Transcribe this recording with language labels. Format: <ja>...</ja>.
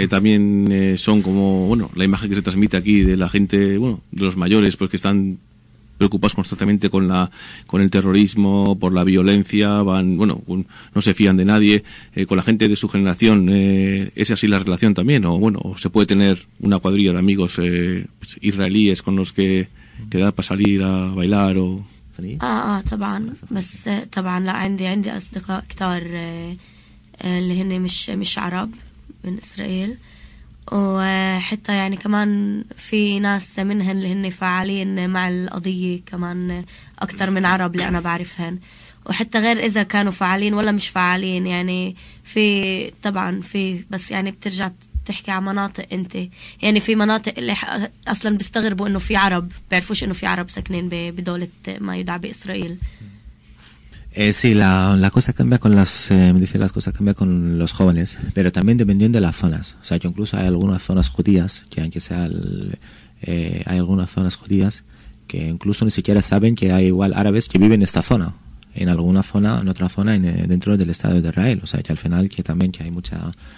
<es>También son como, bueno, la imagen que se transmite aquí de la gente, bueno, de los mayores, pues que están preocupados constantemente con el terrorismo, por la violencia, van, bueno, no se fían de nadie. Con la gente de su generación, ¿es así la relación también? O bueno, ¿se puede tener una cuadrilla de amigos israelíes con los que queda para salir a bailar o...?</es> <ar>طبعا بس طبعا لا عندي اصدقاء كتار اللي هن مش عرب من اسرائيل وحتى يعني كمان في ناس منهم اللي هن فعالين مع القضيه كمان اكثر من عرب اللي انا بعرفهم وحتى غير اذا كانوا فعالين ولا مش فعالين يعني في طبعا في بس يعني بترجع تحكي على مناطق انت يعني في مناطق اللي اصلا بيستغربوا انه في عرب بيعرفوش انه في عرب ساكنين بدولة ما يدعى باسرائيل</ar> <es>sí, la cosa cambia con las cosas cambia con los jóvenes, pero también dependiendo de las zonas, o sea, que incluso hay algunas zonas judías que aunque sea hay algunas zonas judías que incluso ni siquiera saben que hay igual árabes que viven en esta zona, en alguna zona, en otra zona dentro del estado de Israel, o sea, que al final que también que hay mucha</es>